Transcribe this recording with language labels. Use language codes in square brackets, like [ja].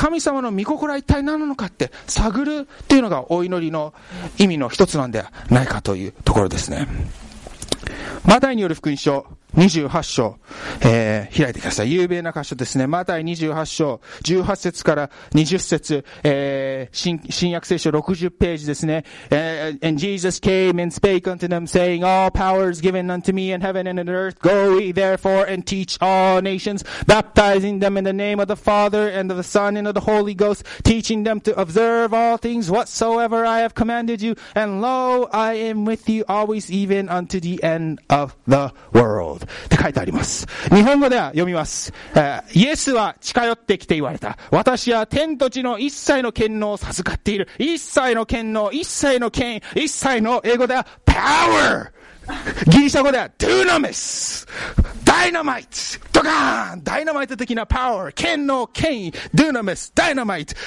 [ja] 神様の御心は一体何なのかって探るっていうのがお祈りの意味の一つなんではないかというところですね。マタイによる福音書28章、開いてください。有名な箇所ですね。マタイ28章、18節から20節、新約聖書60ページですね。 [en] And Jesus came and spake unto them, saying, All power is given unto me in heaven and in earth. Go ye therefore and teach all nations, baptizing them in the name of the Father and of the Son and of the Holy Ghost, teaching them to observe all things whatsoever I have commanded you. And lo, I am with you always, even unto the end of the world. [ja] って書いてあります。日本語では読みます。イエスは近寄ってきて言われた。私は天と地の一切の権能を授かっている。一切の権能、一切の権威、一切の英語では power、 ギリシャ語では dunamis、 ダイナマイト、ドカーン、ダイナマイト的な power、 権能、権威、 dunamis、 ダイナマイト。